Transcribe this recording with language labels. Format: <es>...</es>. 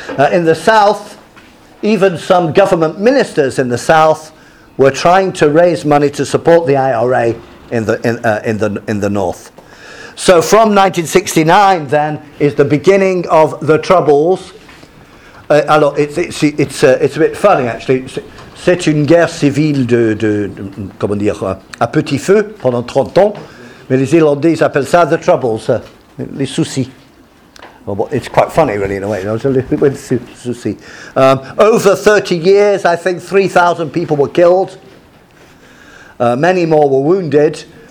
<en>In the south, even some government ministers in the south were trying to raise money to support the IRA in the north. So from 1969, then, is the beginning of the Troubles. It's a bit funny, actually.</en> <fr>C'est une guerre civile à petit feu pendant 30 ans. Mais les Irlandais appellent ça the Troubles, les soucis.</fr> <en>Well, it's quite funny, really, in a way. Over 30 years, I think 3,000 people were killed. Many more were wounded.</en>